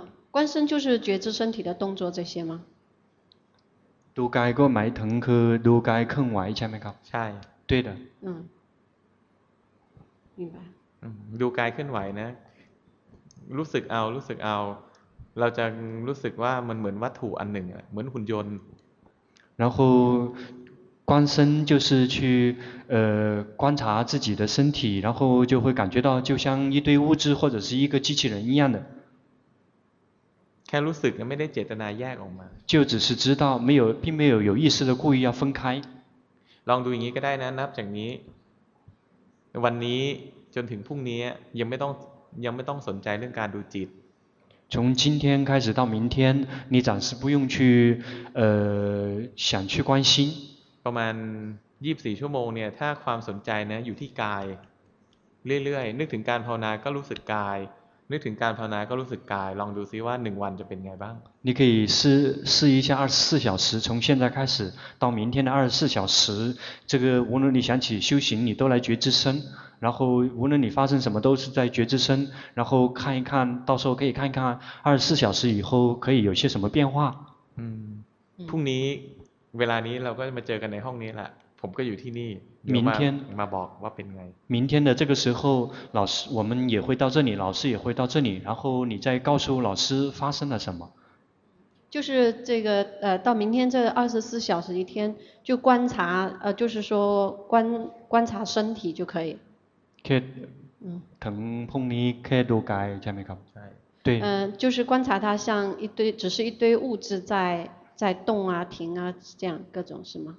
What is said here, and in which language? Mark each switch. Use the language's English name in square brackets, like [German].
[Chinese] 观身就是觉知身体的动作这些吗 [Thai] ดูกายก็หมายถึงคือดูกายเคลื่อนไหวใช่ไหมครับ ใช่ [Chinese] 对的明白 [Thai] ดูกายเคลื่อนไหวนะรู้สึกเอารู้สึกเอาเราจะรู้สึกว่ามันเหมือนวัตถุอันหนึ่งเหมือนหุ่นยนต์ [Chinese] 然后观身就是去观察自己的身体然后就会感觉到就像一堆物质或者是一个机器人一样的 [Thai] แค่รู้สึกไม่ได้เจตนาแยกออกมา [Chinese] 就只是知道没有并没有有意识的故意要分开 [Thai] ลองดูอย่างนี้ก็ได้นะนับจากนี้วันนี้จนถึงพรุ่งนี้ยังไม่ต้องสนใจเรื่องการดูจิต [Chinese] 从今天开始到明天你暂时不用去想去关心 [Thai] ประมาณ24ชั่วโมงเนี่ยถ้าความสนใจนะอยู่ที่กายเรื่อยๆนึกถึงการภาวนาก็รู้สึกกายนึกถึงการภาวนาก็รู้สึกกายลองดูซิว่า1วันจะเป็นไงบ้าง [Chinese] 你可以试一下24小时从现在开始到明天的24小时这个无论你想起修行你都来觉知身然后无论你发生什么都是在觉知身然后看一看到时候可以看一看24小时以后可以有些什么变化 [Thai] พรุ่งนี้เวลานี้เราก็มาเจอกันในห้องนี้แหละผมก็อยู่ที่นี่ [Chinese] 明天 [Thai] มาบอกว่าเป็นไง [Chinese] 明天的这个时候老师我们也会到这里老师也会到这里然后你再告诉老师发生了什么就是这个到明天这24小时一天就观察就是说观察身体就可以 [Thai] แค่ถึงพรุ่งนี้แค่ดูกายใช่ไหมครับ ใช่ [Chinese] 对就是观察它像一堆只是一堆物质在动啊停啊这样各种是吗